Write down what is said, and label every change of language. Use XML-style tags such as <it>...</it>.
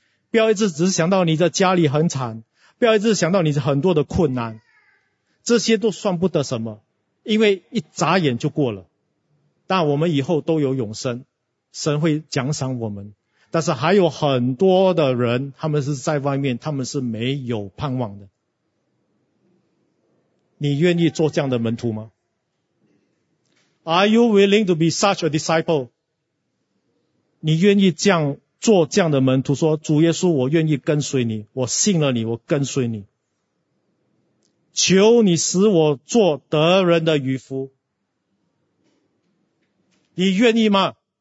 <zh>不要一直只是想到你的家里很惨，不要一直想到你很多的困难，这些都算不得什么，因为一眨眼就过了，但我们以后都有永生，神会奖赏我们，但是还有很多的人，他们是在外面，他们是没有盼望的。你愿意做这样的门徒吗？</zh> <en>Are you willing to be such a disciple?</en> <zh>你愿意这样做这样的门徒，说主耶稣，我愿意跟随你，我信了你，我跟随你，求你使我做得人的渔夫，你愿意吗？</zh>